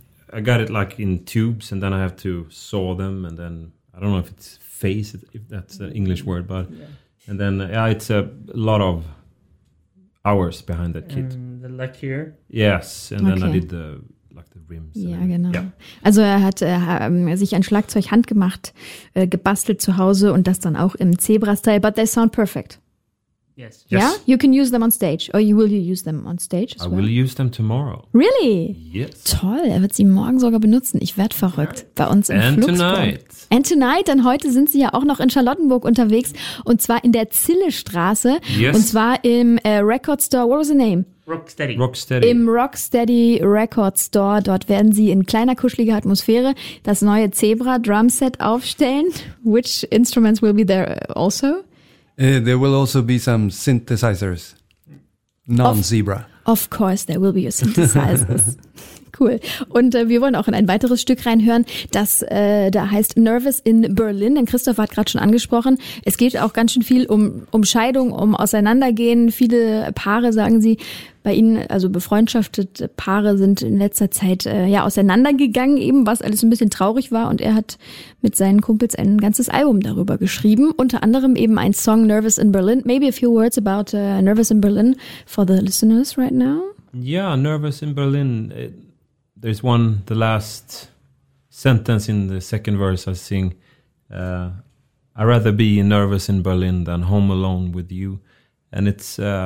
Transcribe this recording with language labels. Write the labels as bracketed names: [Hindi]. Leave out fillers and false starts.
[English] I got it like in tubes, and then I have to saw them, and then I don't know if it's face, if that's an English word, but yeah. And then it's a lot of hours behind that kit. The lacquer. Yes, and then I did the. [German] Ja, genau. Ja. Also er hat sich ein Schlagzeug handgemacht, gebastelt zu Hause, und das dann auch im Zebra-Style. [English] But they sound perfect. Yes. Yeah, you can use them on stage. Or will you use them on stage as well? I will use them tomorrow. Really? Yes. [German] Toll, er wird sie morgen sogar benutzen. Ich werde verrückt. Bei uns im Fluxbau. [English] And tonight, [German] denn heute sind sie ja auch noch in Charlottenburg unterwegs. Und zwar in der Zillestraße. Yes. Und zwar im Record Store. [English] What was the name? [German] Rocksteady. Im Rocksteady Record Store. Dort werden sie in kleiner, kuscheliger Atmosphäre das neue Zebra Drum Set aufstellen. [English] Which instruments will be there also? There will also be some synthesizers, non-Zebra. Of course, there will be your synthesizers. Cool. [German] Und wir wollen auch in ein weiteres Stück reinhören, das da heißt Nervous in Berlin. Denn Christopher hat gerade schon angesprochen, es geht auch ganz schön viel um Scheidung, um Auseinandergehen. Viele Paare, sagen sie, bei ihnen, also befreundschaftete Paare, sind in letzter Zeit auseinandergegangen eben, was alles ein bisschen traurig war. Und er hat mit seinen Kumpels ein ganzes Album darüber geschrieben. Unter anderem eben ein Song Nervous in Berlin. [English] Maybe a few words about Nervous in Berlin for the listeners right now. Yeah, Nervous in Berlin. There's one, the last sentence in the second verse I sing. I'd rather be nervous in Berlin than home alone with you. And it's...